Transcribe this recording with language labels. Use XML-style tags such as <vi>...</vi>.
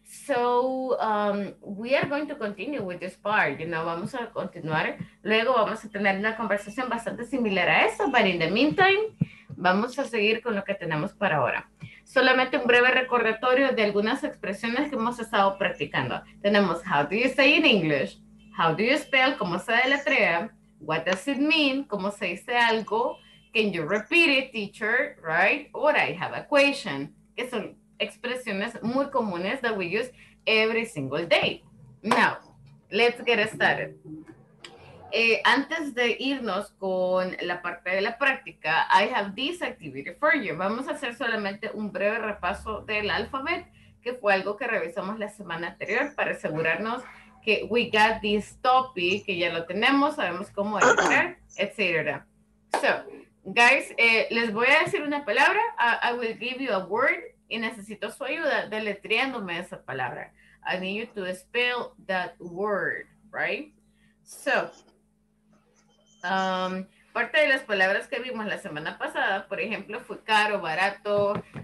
<en>So we are going to continue with this part. You know,</en> <es>vamos a continuar. Luego vamos a tener una conversación bastante similar a eso.</es> <en>But in the meantime,</en> <es>vamos a seguir con lo que tenemos para ahora. Solamente un breve recordatorio de algunas expresiones que hemos estado practicando.</es> <en>Tenemos how do you say in English? How do you spell?</en> <es>¿Cómo se deletrea?</es> <en>What does it mean?</en> <es>¿Cómo se dice algo?</es> <en>Can you repeat it, teacher, right? Or I have a question.</en> <es>Que son expresiones muy comunes</es> <en>that we use every single day. Now, let's get started.</en> <es>Antes de irnos con la parte de la práctica,</es> <en>I have this activity for you.</en> <es>Vamos a hacer solamente un breve repaso del alfabet, que fue algo que revisamos la semana anterior para asegurarnos que</es> <en>we got this topic,</en> <es>que ya lo tenemos, sabemos cómo entrar, etc. So, guys, les voy a decir una palabra.</es> <en>I will give you a word</en> <es>y necesito su ayuda deletreándome esa palabra.</es> <en>I need you to spell that word, right?</en> <es>So, parte de las palabras que vimos la semana pasada, por ejemplo, fue caro, barato.</es>